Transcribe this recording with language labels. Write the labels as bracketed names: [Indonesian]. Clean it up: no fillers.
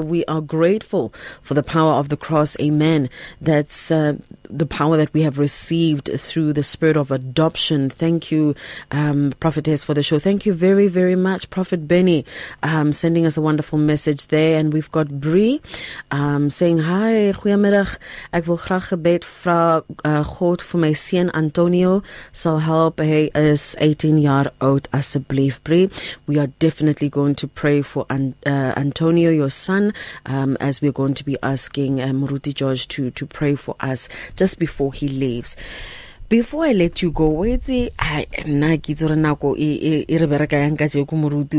[English] We are grateful for the power of the cross. Amen. That's the power that we have received through the spirit of adoption. Thank you, Prophetess, for the show. Thank you very, very much, Prophet Benny, sending us a wonderful message there. And we've got Bree saying, hi, goeiemiddag. [Afrikaans] Ek wil graag gebed vra God vir my seun Antonio sal help. Hy is 18 jaar oud, asseblief, Bree. [English] We are definitely going to pray for Antonio, your son, as we're going to be asking Muruti George to pray for us just before he leaves. Before I let you go, [Southern Sotho] Wetsi, I na kitsora nako e re bereka yang ka jeko Muruti.